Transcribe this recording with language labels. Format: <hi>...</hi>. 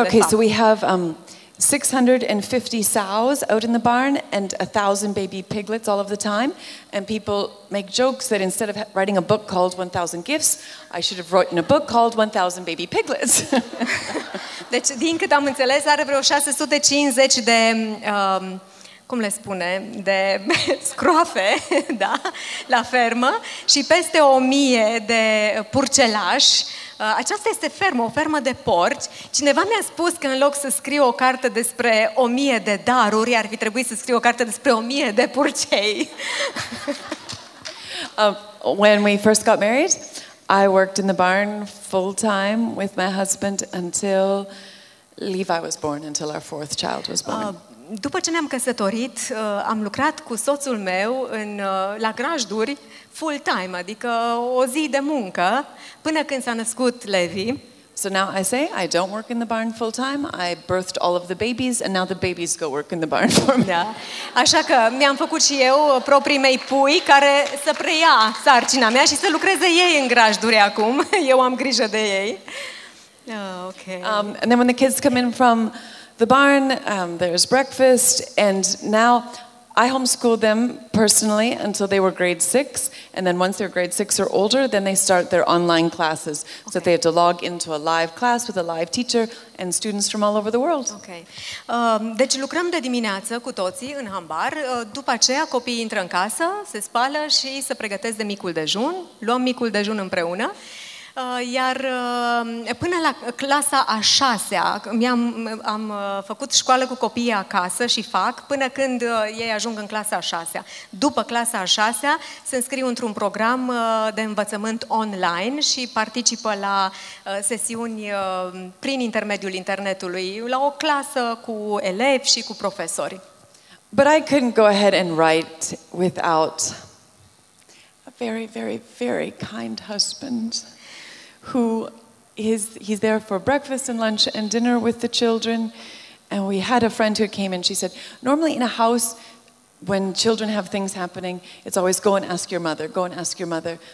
<en>Okay, so we have 650 sows out in the barn and 1,000 baby piglets all of the time, and people make jokes that instead of writing a book called 1,000 Gifts, I should have written a book called 1,000 Baby Piglets.</en> <ro>Deci, din cât am înțeles, are vreo 650 de, cum le spune, de scroafe, da, la fermă și peste 1,000 de purcelași. Aceasta este fermă, o fermă de porci. Cineva mi-a spus că în loc să scriu o carte despre 1,000 de daruri, ar fi trebuit să scriu o carte despre 1,000 de purcei.</ro> <en>When we first got married, I worked in the barn full-time with my husband until Levi was born, until our fourth child was born.</en> <ro>După ce ne-am căsătorit, am lucrat cu soțul meu în, la grajduri full-time, adică o zi de muncă, până când s-a născut Levi.</ro> <en>So now I say I don't work in the barn full time. I birthed all of the babies and now the babies go work in the barn for me.</en> <ro>Da. Așa că mi-am făcut și eu proprii mei pui care să preia sarcina mea și să lucreze ei în grajduri acum. Eu am grijă de ei. Oh, okay.</ro> <en>And then when the kids come in from the barn, there's breakfast and now I homeschooled them personally until they were grade 6, and then once they're grade 6 or older, then they start their online classes. Okay. So that they have to log into a live class with a live teacher and students from all over the world. Okay.</en> <ro>Deci lucrăm de dimineață cu toții în hambar, după aceea copiii intră în casă, se spală și se pregătesc de micul dejun, luăm micul dejun împreună. Iar până la clasa a șasea, am făcut școală cu copiii acasă și fac, până când ei ajung în clasa a șasea. După clasa a șasea, se înscriu într-un program de învățământ online și participă la sesiuni prin intermediul internetului, la o clasă cu elevi și cu profesori.</ro> <en>But I couldn't go ahead and write without a very, very, very kind husband. Who is he's there for breakfast and lunch and dinner with the children. And we had a friend who came in. She said, normally in a house, when children have things happening, it's always go and ask your mother, go and ask your mother.</en>